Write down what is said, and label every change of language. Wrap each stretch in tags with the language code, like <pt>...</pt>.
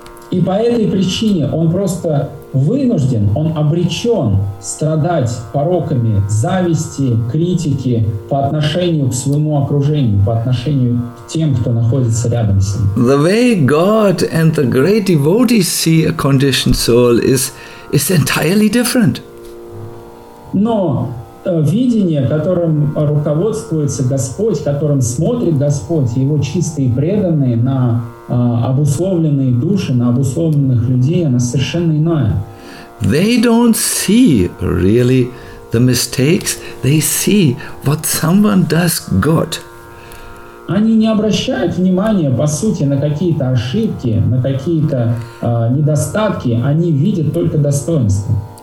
<ru>И по этой причине он просто вынужден, он обречен страдать пороками зависти, критики по отношению к своему окружению, по отношению к тем, кто находится рядом с ним.</ru> <en>The way God and the great devotees see a conditioned soul is entirely different.</en> <ru>Но видение, которым руководствуется Господь, которым смотрит Господь, его чистые преданные на обусловленные души, на обусловленных людей, оно совершенно иное.</ru> <en>They don't see really the mistakes. They see what someone does good.</en> <ru>Они не обращают внимания, по сути, на какие-то ошибки, на какие-то недостатки. Они видят только достоинства.</ru>